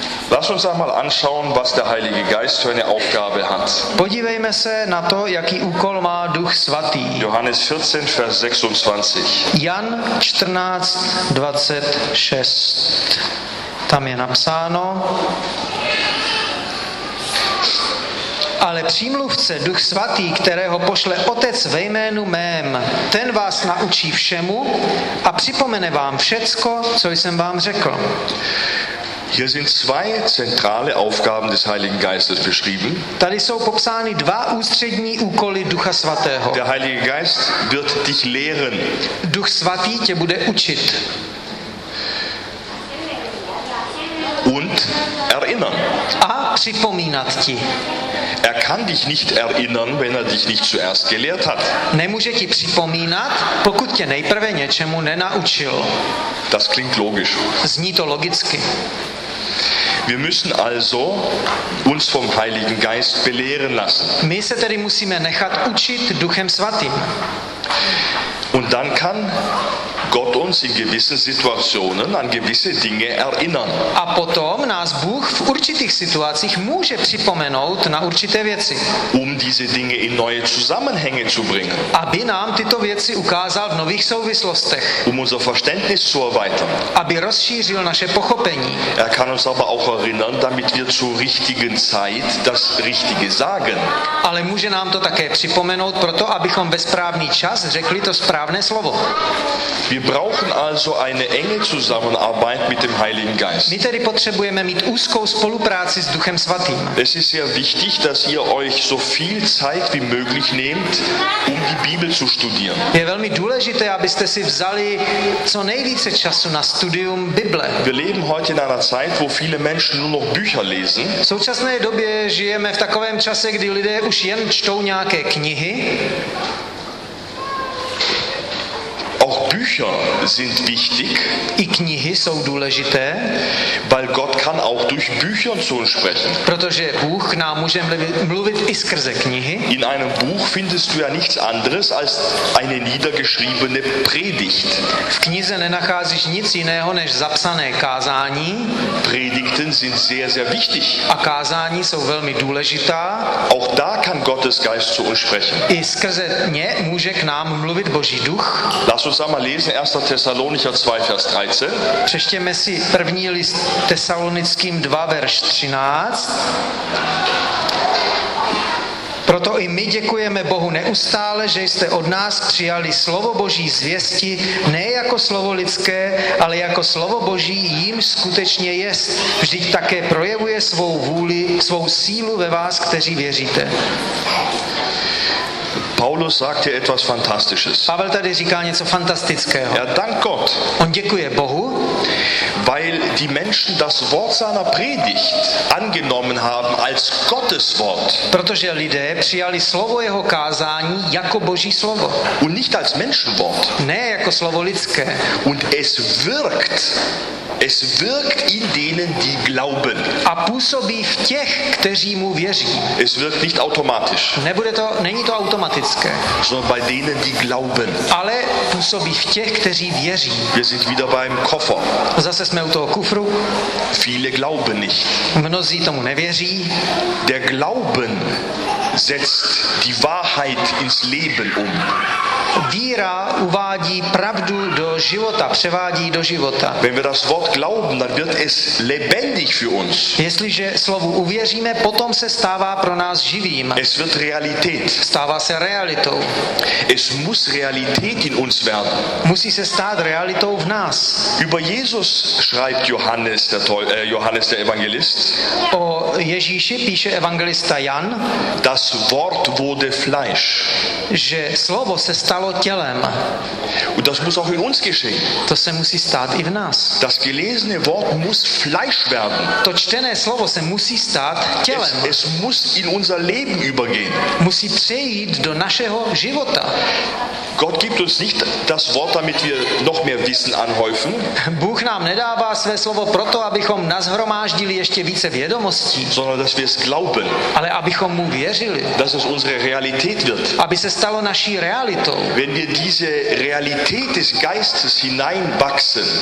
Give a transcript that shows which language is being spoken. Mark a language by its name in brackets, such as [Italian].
[German] Lass uns einmal anschauen, was der Heilige Geist für eine Aufgabe hat. [Czech] Podívejme se na to, jaký úkol má Duch svatý. [German] Johannes 14, Vers 26. [Czech] Jan 14, 26. Tam je napsáno. Ale přímluvce, Duch svatý, kterého pošle Otec ve jménu mém, ten vás naučí všemu a připomene vám všecko, co jsem vám řekl. [German] Hier sind zwei zentrale Aufgaben des Heiligen Geistes beschrieben. [Czech] Tady jsou popsány dva ústřední úkoly Ducha svatého. [German] Der Heilige Geist wird dich lehren. [Czech] Duch svatý tě bude učit. [German] Und erinnern. [Czech] A připomínat ti. [German] Er kann dich nicht erinnern, wenn er dich nicht zuerst gelehrt hat. [Czech] Nemůže ti připomínat, pokud tě nejprve něčemu nenaučil. [German] Das klingt logisch. [Czech] Zní to logicky. [German] Wir müssen also uns vom Heiligen Geist belehren lassen. [Czech] My se tedy musíme nechat učit Duchem svatým. [German] Und dann kann Gott uns in gewissen Situationen an gewisse Dinge erinnern. [Czech] A potom nás Bůh v určitých situacích může připomenout na určité věci. [German] Um diese Dinge in neue Zusammenhänge zu bringen. [Czech] Aby nám tyto věci ukázal v nových souvislostech. [German] Um unser Verständnis zu erweitern. [Czech] Aby rozšířil naše pochopení. [German] Er kann uns aber auch erinnern, damit wir zur richtigen Zeit das Richtige sagen. [Czech] Ale může nám to také připomenout proto, abychom ve správný čas řekli to správné slovo. [German] Wir brauchen also eine enge Zusammenarbeit mit dem Heiligen Geist. [Czech] My tedy potřebujeme mít úzkou spolupráci s Duchem Svatým. [German] Es ist sehr wichtig, dass ihr euch so viel Zeit wie möglich nehmt, um die Bibel zu studieren. [Czech] Je velmi důležité, abyste si vzali co nejvíce času na studium Bible. [German] Wir leben heute in einer Zeit, wo viele Menschen nur noch Bücher lesen. [Czech] V současné době žijeme v takovém čase, kdy lidé už jen čtou nějaké knihy. [German] Auch Bücher sind wichtig. [Czech] I knihy jsou důležité. [German] Weil Gott kann auch durch Bücher zu uns sprechen. [Czech] Protože Bůh nám může mluvit i skrze knihy. [German] In einem Buch findest du ja nichts anderes als eine niedergeschriebene Predigt. [Czech] V knize nenacházíš nic jiného než zapsané kázání. [German] Predigten sind sehr, sehr wichtig. [Czech] A kázání jsou velmi důležitá. [German] Auch da kann Gottes Geist zu uns sprechen. [Czech] I skrze ně může k nám mluvit Boží duch. [German] Lass uns einmal lesen 1. Thessalonicher 2, Vers 13. [Czech] Přečtěme si první list Tesalonickým 2, verš 13. Proto i my děkujeme Bohu neustále, že jste od nás přijali slovo Boží zvěsti, ne jako slovo lidské, ale jako slovo Boží jim skutečně jest. Vždyť také projevuje svou vůli, svou sílu ve vás, kteří věříte. [German] Paulus sagt hier etwas Fantastisches. [Czech] Pavel tady říká něco fantastického. [German] Ja, dank Gott. [Czech] On děkuje Bohu, [German] weil die Menschen das Wort seiner Predigt angenommen haben als Gottes Wort. [Czech] Protože lidé přijali slovo jeho kázání jako Boží slovo. [German] Und nicht als Menschenwort. [Czech] Ne jako slovo lidské. [German] Und es wirkt. Es wirkt in denen, die glauben. [Czech] A působí v těch, kteří mu věří. [German] Es wirkt nicht automatisch. [Czech] Nebude to, není to automatické. [German] Sondern bei denen, die glauben. [Czech] Ale působí v těch, kteří věří. [German] Wir sind wieder beim Koffer. [Czech] Zase jsme u toho kufru. [German] Viele glauben nicht. [Czech] Mnozí tomu nevěří. [German] Der Glauben setzt die Wahrheit ins Leben um. [Czech] Víra uvádí pravdu do života, převádí do života. [German] Wenn wir das Wort glauben, dann wird es lebendig für uns. [Czech] Jestliže slovu uvěříme, potom se stává pro nás živým. [German] Es wird Realität. [Czech] Stává se realitou. [German] Es muss Realität in uns werden. [Czech] Musí se stát realitou v nás. [German] Über Jesus schreibt Johannes der Evangelist. [Czech] O Ježíši píše evangelista Jan. [German] Das Wort wurde Fleisch. [Czech] Že slovo se stalo tělem. [German] Und das muss auch in uns geschehen. [Czech] To se musí stát i v nás. [German] Das gelesene Wort muss Fleisch werden. [Czech] To čtené slovo se musí stát tělem. [German] Es muss in unser Leben übergehen. [Czech] Musí přejít do našeho života. [German] Gott gibt uns nicht das Wort, damit wir noch mehr Wissen anhäufen. [Czech] Bůh nám nedává své slovo proto, abychom nashromáždili ještě více vědomostí. [German] Sondern dass wir es glauben. [Czech] Ale abychom mu věřili. [German] Dass es unsere Realität wird. [Czech] Aby se stalo naší realitou. [German] Wenn wir diese Realität des Geistes hineinwachsen.